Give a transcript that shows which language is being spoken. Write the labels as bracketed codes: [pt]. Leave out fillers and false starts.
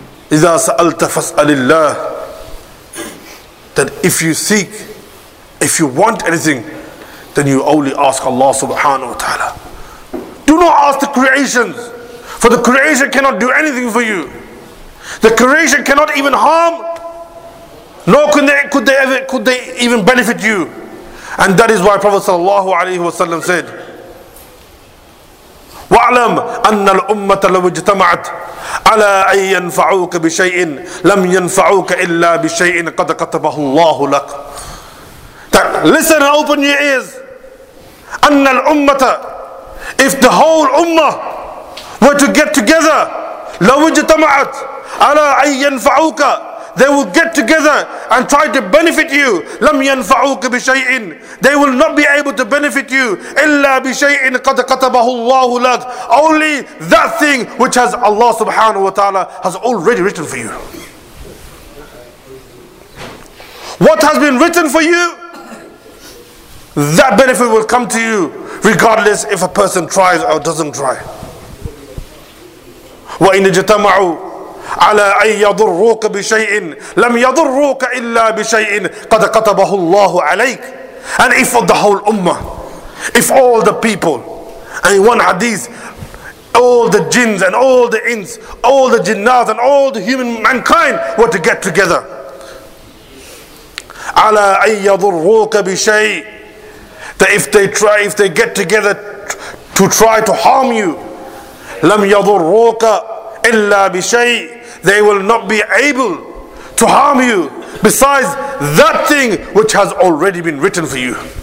[ar] إِذَا سَأَلْتَ فَاسْأَلِ اللَّهِ. [en] That if you seek, if you want anything, then you only ask Allah subhanahu wa ta'ala. Do not ask the creations, for the creation cannot do anything for you. The creation cannot even harm, nor could they even benefit you. And that is why Prophet sallallahu alayhi wa sallam said, [ar] فاعلم أن الأمة لو اجتمعت على أن ينفعوك بشيء لم ينفعوك إلا بشيء قد كتبه الله لك. [en] Listen and open your ears. [ar] أن الأمة, [en] if the whole ummah were to get together, [ar] لو اجتمعت على أن ينفعوك, [en] they will get together and try to benefit you. [ar] لم ينفعوك بشيء, [en] they will not be able to benefit you. [ar] إلا بشيء قد كتبه الله لك, [en] only that thing which has Allah subhanahu wa ta'ala has already written for you. What has been written for you, that benefit will come to you regardless if a person tries or doesn't try. [ar] وإن اجتمعوا على أن يضروك بشيء لم يضروك إلا بشيء قد كتبه الله عليك. [en] And if the whole ummah, if all the people, and in one hadith, all the jinns and all the ins, all the jinnat and all the human mankind were to get together, [ar] على أن يضروك بشيء, [en] that if they try, if they get together to try to harm you, [ar] لم يضروك إلا بشيء, [en] they will not be able to harm you besides that thing which has already been written for you.